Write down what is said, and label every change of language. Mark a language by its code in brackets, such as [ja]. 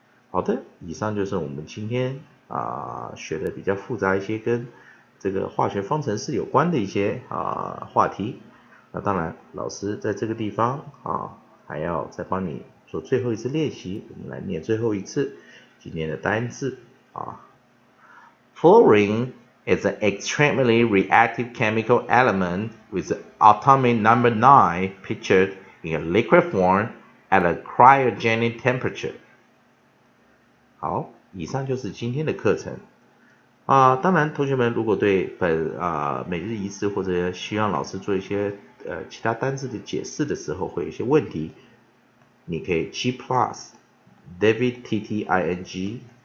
[zh] 好的，以上就是我们今天啊学的比较复杂一些跟这个化学方程式有关的一些啊话题。那当然老师在这个地方啊还要再帮你做最后一次练习，我们来念最后一次今天的单字啊。 [en] Fluorine is an extremely reactive chemical element with atomic number 9 pictured in a liquid form at a cryogenic temperature. [zh] 好，以上就是今天的课程。啊，当然同学们如果对本啊每日一次或者希望老师做一些其他单字的解释的时候会有一些问题，你可以 G+ David TTING